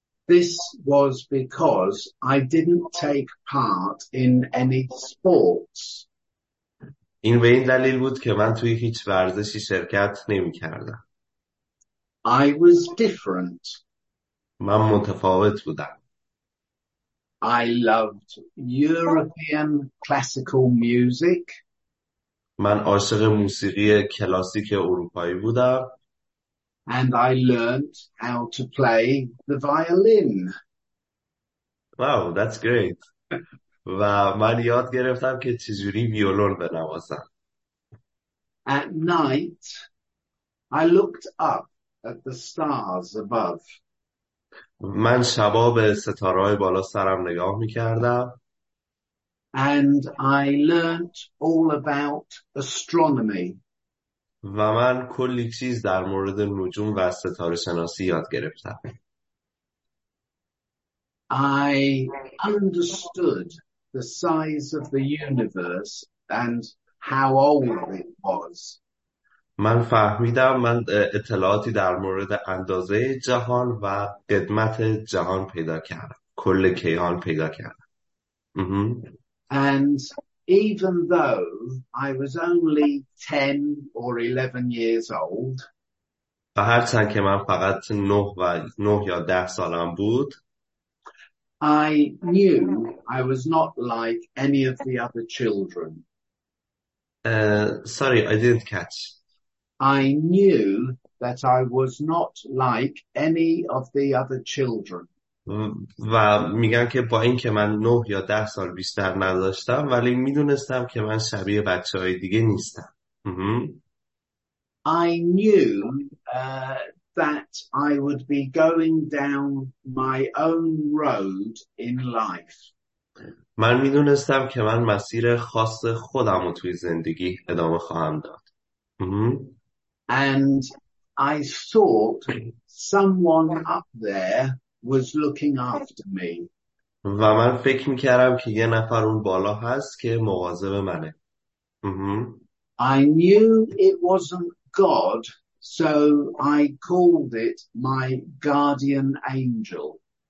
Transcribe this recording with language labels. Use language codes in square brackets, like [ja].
[en] This was because I didn't take part in any sports. [fa] این به این دلیل بود که من توی هیچ ورزشی شرکت نمی کردم. [en] I was different. [fa] من متفاوت بودم. [en] I loved European classical music. [fa] من عاشق موسیقی کلاسیک اروپایی بودم. [en] And I learned how to play the violin. Wow, that's great. [fa] و من یاد گرفتم که چجوری ویولون بنوازم. [en] At night, I looked up at the stars above. [fa] من شبا به ستاره‌های بالا سرم نگاه می‌کردم. [en] And I learned all about astronomy. [fa] و من کلی چیز در مورد نجوم و ستاره‌شناسی یاد گرفتم. [en] I understood the size of the universe and how old it was. [fa] من فهمیدم، من اطلاعاتی در مورد اندازه جهان و قدمت جهان پیدا کردم، کل کیهان پیدا کردم. [en] And even though I was only 10 or 11 years old, [fa] و هرچند که من فقط 9 یا 10 سالم بود، [en] I knew I was not like any of the other children. Sorry, I didn't catch. I knew that I was not like any of the other children. [fa] و میگن که با این که من 9 یا 10 سال بیشتر نداشتم ولی میدونستم که من شبیه بچه های دیگه نیستم. [en] I knew that I would be going down my own road in life. [fa] من میدونستم که من مسیر خاص خودم رو توی زندگی ادامه خواهم داد. [en] And I thought someone up there was looking after me. [fa] و من فکر می‌کردم که یه نفر اون بالا هست که مواظب منه. [en] I knew it wasn't God, so I called it my guardian angel.